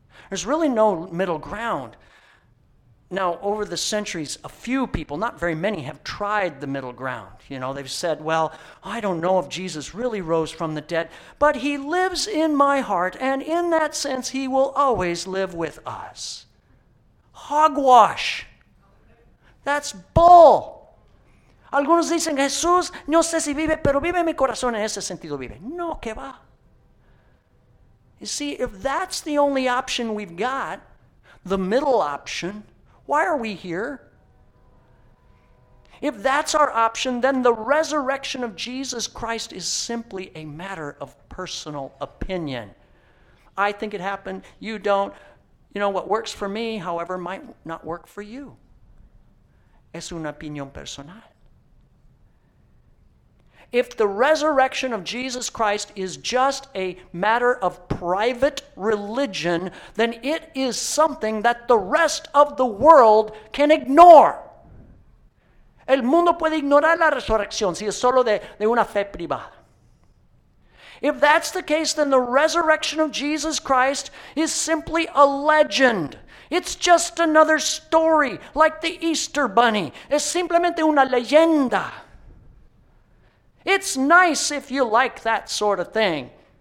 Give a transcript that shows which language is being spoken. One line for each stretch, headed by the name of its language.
English: There's really no middle ground. Now, over the centuries, a few people, not very many, have tried the middle ground. You know, they've said, well, I don't know if Jesus really rose from the dead, but he lives in my heart, and in that sense, he will always live with us. Hogwash. That's bull.
Spanish: Algunos dicen, Jesús, no sé si vive, pero vive mi corazón en ese sentido vive. No, que va.
English: You see, if that's the only option we've got, the middle option, why are we here? If that's our option, then the resurrection of Jesus Christ is simply a matter of personal opinion. I think it happened. You don't. You know, what works for me, however, might not work for you.
Spanish: Es una opinión personal.
English: If the resurrection of Jesus Christ is just a matter of private religion, then it is something that the rest of the world can ignore.
Spanish: El mundo puede ignorar la resurrección si es solo de una fe privada.
English: If that's the case, then the resurrection of Jesus Christ is simply a legend. It's just another story, like the Easter Bunny.
Spanish: Es simplemente una leyenda.
English: It's nice if you like that sort of thing.